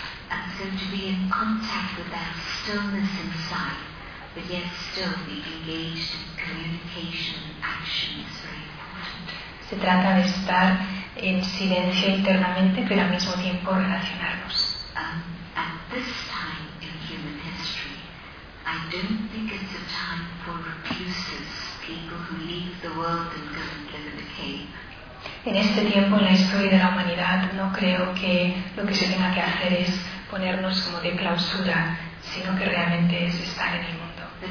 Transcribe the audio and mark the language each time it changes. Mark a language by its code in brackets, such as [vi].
[en] And so to be in contact with that stillness inside, but yet still be engaged in communication and action is very important. [es] Se trata de estar en silencio internamente, pero al mismo tiempo relacionarnos. [en] At this time in human history, I don't think it's a time for recluses, people who leave the world and go and live in a cave. [es] En este tiempo en la historia de la humanidad no creo que lo que se tenga que hacer es ponernos como de clausura, sino que realmente es estar en el mundo.